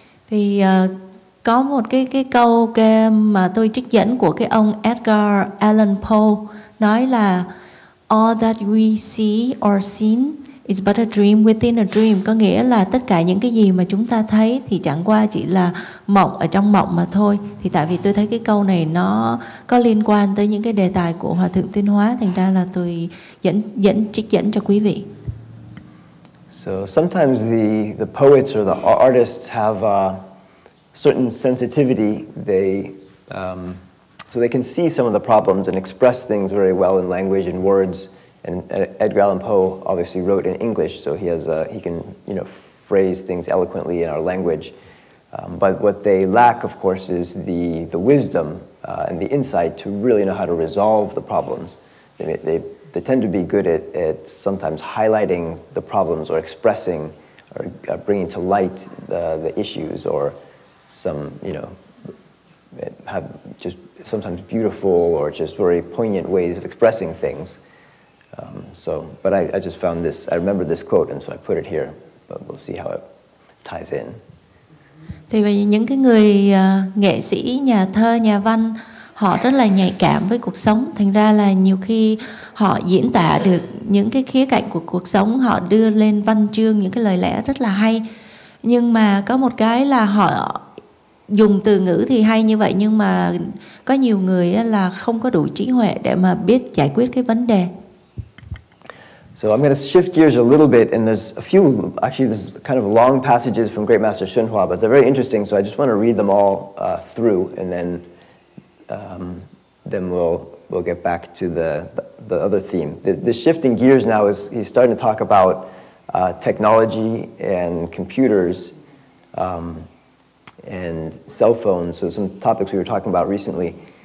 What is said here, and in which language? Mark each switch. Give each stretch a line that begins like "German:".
Vietnamese: Thì có một cái câu mà tôi trích dẫn của cái ông Edgar Allan Poe nói là
English: all that we see or seen is but a dream
Vietnamese: within a dream, có nghĩa là tất cả những cái gì mà chúng ta thấy thì chẳng qua chỉ là mộng ở trong mộng mà thôi. Thì tại vì tôi thấy cái câu này nó có liên quan tới những cái đề tài của Hòa Thượng Tuyên Hóa, thành ra là tôi dẫn trích dẫn cho quý vị.
English: So sometimes the poets or the artists have a certain sensitivity. They can see some of the problems and express things very well in language and words. And Edgar Allan Poe obviously wrote in English, so he can phrase things eloquently in our language. But what they lack, of course, is the wisdom and the insight to really know how to resolve the problems. They tend to be good at sometimes highlighting the problems or expressing or bringing to light the issues or some, have just sometimes beautiful or just very poignant ways of expressing things. But I just found this, I remember this quote, and so I put it here, but we'll see how it ties in.
Vietnamese: Thì những cái người nghệ sĩ, nhà thơ, nhà văn, họ rất là nhạy cảm với cuộc sống. Thành ra là nhiều khi họ diễn tả được những cái khía cạnh của cuộc sống, họ đưa lên văn chương những cái lời lẽ rất là hay. Nhưng mà có một cái là họ dùng từ ngữ thì hay như vậy, nhưng mà có nhiều người là không có đủ trí huệ để mà biết giải quyết cái vấn đề.
English: So I'm going to shift gears a little bit, and there's a few, actually there's kind of long passages from Great Master Hsuan Hua, but they're very interesting, so I just want to read them all through, and then we'll get back to the other theme. The shifting gears now is he's starting to talk about technology and computers and cell phones, so some topics we were talking about recently.